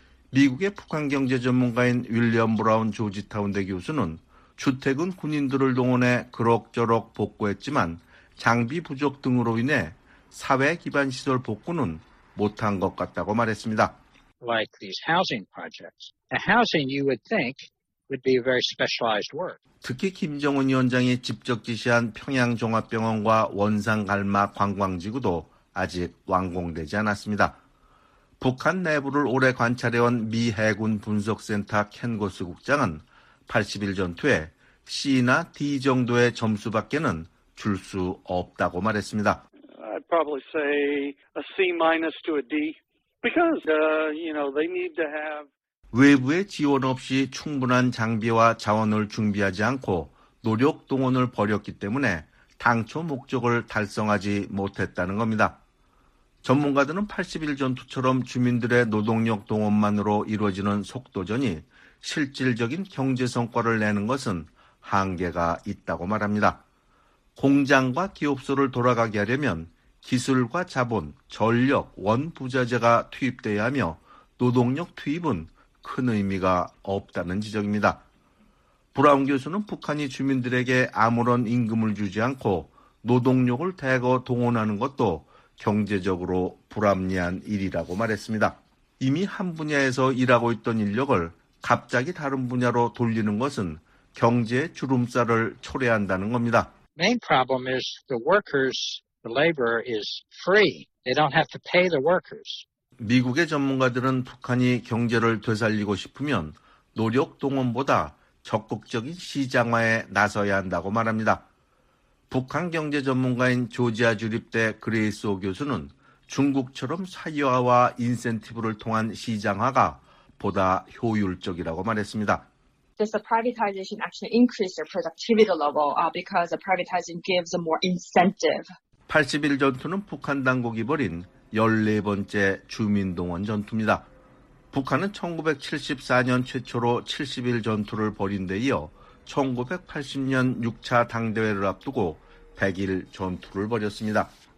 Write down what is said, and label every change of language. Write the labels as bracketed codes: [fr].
[ko] 미국의 북한 경제 전문가인 윌리엄 브라운 조지타운 대 교수는 주택은 군인들을 동원해 그럭저럭 복구했지만 장비 부족 등으로 인해 사회 기반 시설 복구는 못한 것 같다고 말했습니다. [en] Like these housing projects. The housing you would think would be a very specialized work. [ko] 특히 김정은 위원장이 직접 지시한 평양 종합병원과 원산 갈마 관광지구도 아직 완공되지 않았습니다. 북한 내부를 오래 관찰해온 미 해군 분석센터 켄고스 국장은 80일 전투에 C나 D 정도의 점수밖에는 줄 수 없다고 말했습니다. [en] I'd probably say a C minus to a D because you know they need to have [ko] 외부의 지원 없이 충분한 장비와 자원을 준비하지 않고 노력 동원을 벌였기 때문에 당초 목적을 달성하지 못했다는 겁니다. 전문가들은 80일 전투처럼 주민들의 노동력 동원만으로 이루어지는 속도전이 실질적인 경제 성과를 내는 것은 한계가 있다고 말합니다. 공장과 기업소를 돌아가게 하려면 기술과 자본, 전력, 원부자재가 투입돼야 하며 노동력 투입은 큰 의미가 없다는 지적입니다. 브라운 교수는 북한이 주민들에게 아무런 임금을 주지 않고 노동력을 대거 동원하는 것도 경제적으로 불합리한 일이라고 말했습니다. 이미 한 분야에서 일하고 있던 인력을 갑자기 다른 분야로 돌리는 것은 경제의 주름살을 초래한다는 겁니다. [en] Main problem is the workers, the labor is free. They don't have to pay the workers. [ko] 미국의 전문가들은 북한이 경제를 되살리고 싶으면 노력 동원보다 적극적인 시장화에 나서야 한다고 말합니다. 북한 경제 전문가인 조지아 주립대 그레이스 오 교수는 중국처럼 사유화와 인센티브를 통한 시장화가 보다 효율적이라고 말했습니다. [en] Does the privatization actually increase your productivity level because the privatizing gives a more incentive? [ko] 80일 전투는 북한 당국이 벌인 14번째 주민동원 전투입니다. 북한은 1974년 최초로 70일 전투를 벌인 데 이어 1980년 6차 당대회를 앞두고 100일 전투를 벌였습니다.